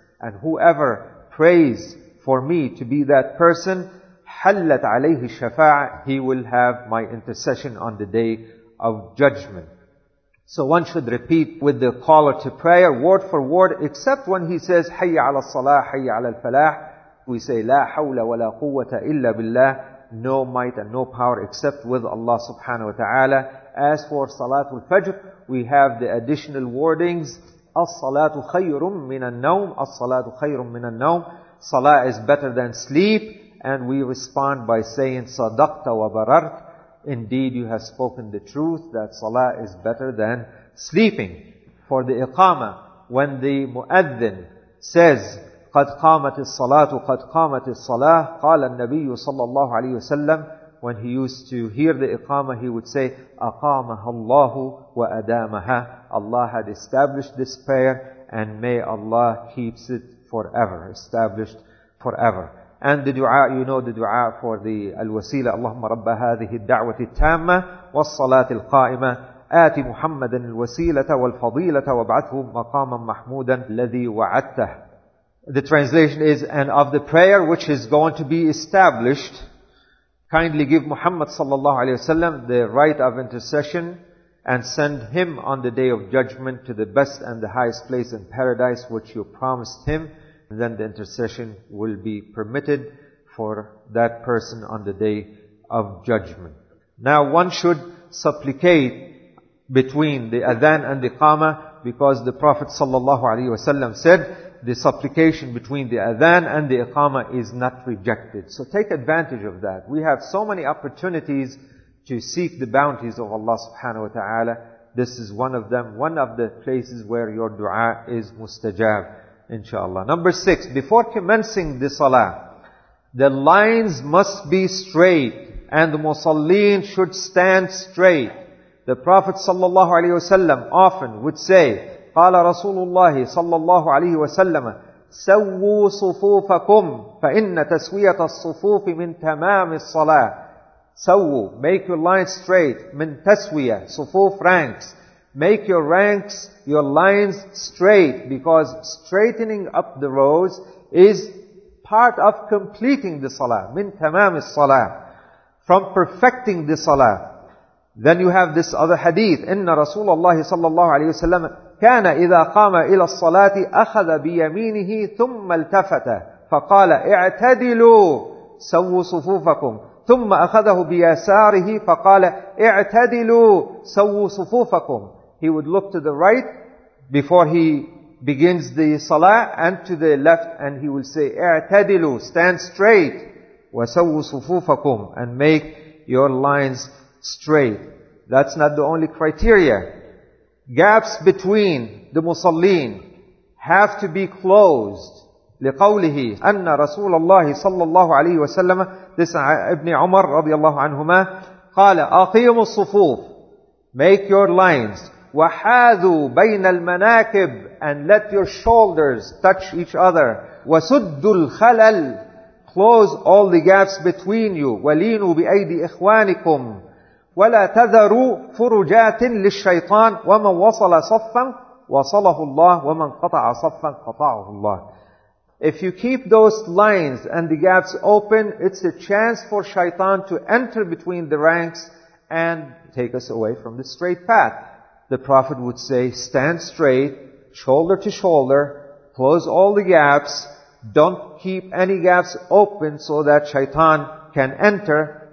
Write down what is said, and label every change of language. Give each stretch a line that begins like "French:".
English: And whoever prays for me to be that person,
Arabic: حَلَّتْ عَلَيْهِ الشَّفَاعَةِ,
English: he will have my intercession on the day of judgment. So one should repeat with the caller to prayer, word for word, except when he says,
Arabic: حَيَّ عَلَى الصَّلَاةِ حَيَّ عَلَى الْفَلَاحِ.
English: We say,
Arabic: لَا حَوْلَ وَلَا قُوَّةَ إِلَّا بِاللَّهِ.
English: No might and no power except with Allah subhanahu wa ta'ala. As for Salatul Fajr, we have the additional wordings,
Arabic: As-salatu khayrun min an-nawm, As-salatu khayrun min an-nawm,
English: Salah is better than sleep, and we respond by saying,
Arabic: Sadaqta wa bararta,
English: indeed you have spoken the truth, that Salah is better than sleeping. For the iqama, when the muadhin says,
Arabic: قَدْ قَامَتِ الصَّلَاةُ قَدْ قَامَتِ الصَّلَاةُ قَالَ النَّبِيُّ صَلَّى اللَّهُ عَلَيْهِ وَسَلَّمُ,
English: when he used to hear the iqama, he would say,
Arabic: أَقَامَهَا اللَّهُ وَأَدَامَهَا,
English: Allah had established this prayer, and may Allah keeps it forever, established forever. And the dua, you know the dua for the al-wasila,
Arabic: اللهم رب هذه الدعوة التامة والصلاة القائمة, آت محمدا الوسيلة والفضيلة وابعثه مقاما محمودا الذي وعدته.
English: The translation is, and of the prayer which is going to be established, kindly give Muhammad sallallahu alayhi wa sallam the right of intercession and send him on the day of judgment to the best and the highest place in paradise which you promised him. And then the intercession will be permitted for that person on the day of judgment. Now one should supplicate between the adhan and the qama, because the Prophet sallallahu alayhi wa sallam said, the supplication between the adhan and the iqama is not rejected. So take advantage of that. We have so many opportunities to seek the bounties of Allah subhanahu wa ta'ala. This is one of them, one of the places where your dua is mustajab, inshaAllah. Number 6, before commencing the salah, the lines must be straight and the musalleen should stand straight. The Prophet sallallahu alayhi wa sallam often would say,
Arabic: قال رسول الله صلى الله عليه وسلم سووا صفوفكم فإن تسوية الصفوف من تمام الصلاة.
English: سووا, make your line straight.
Arabic: من تسوية, صفوف,
English: ranks. Make your ranks, your lines straight, because straightening up the rows is part of completing the صلاة.
Arabic: من تمام الصلاة,
English: from perfecting the
Arabic: صلاة.
English: Then you have this other hadith,
Arabic: إن رسول الله صلى الله عليه وسلم كان إذا قام إلى الصلاة أخذ بيمينه ثم التفت فقال اعتدلوا سووا صفوفكم. ثم أخذه بيساره فقال اعتدلوا سووا صفوفكم.
English: He would look to the right before he begins the salah and to the left, and he will say
Arabic: اعتدلوا,
English: stand straight,
Arabic: وسووا صفوفكم,
English: and make your lines straight. That's not the only criteria. Gaps between the musallin have to be closed.
Arabic: لقوله أن رسول الله صلى الله عليه وسلم دس ابن عمر رضي الله عنهما قال أقيموا الصفوف,
English: make your lines,
Arabic: وحاذوا بين المناكب,
English: and let your shoulders touch each other,
Arabic: وسدوا الخلل,
English: close all the gaps between you,
Arabic: ولينوا بأيدي إخوانكم, ولا تذروا فرجات للشيطان, ومن وصل صفا وصله الله, ومن قطع صفا قطعه الله.
English: If you keep those lines and the gaps open, it's a chance for shaitan to enter between the ranks and take us away from the straight path. The Prophet would say, stand straight, shoulder to shoulder, close all the gaps, don't keep any gaps open so that shaitan can enter.